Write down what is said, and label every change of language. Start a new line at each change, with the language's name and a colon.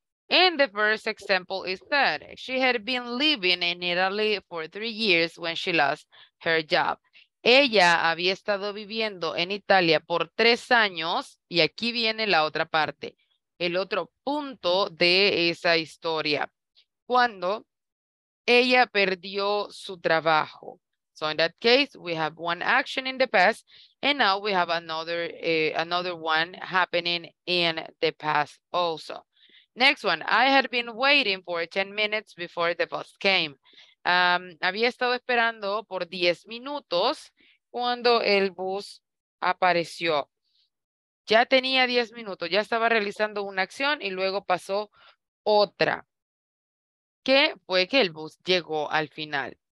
English: In the first example is that she had been living in Italy for 3 years when she lost her job.
Spanish: Ella había estado viviendo en Italia por 3 años y aquí viene la otra parte, el otro punto de esa historia. Cuando ella perdió su trabajo.
English: So in that case, we have one action in the past and now we have another one happening in the past also. Next one, I had been waiting for 10 minutes before the bus came.
Spanish: Había estado esperando por 10 minutos cuando el bus apareció. Ya tenía 10 minutos, ya estaba realizando una acción y luego pasó otra. ¿Qué fue que el bus llegó al final?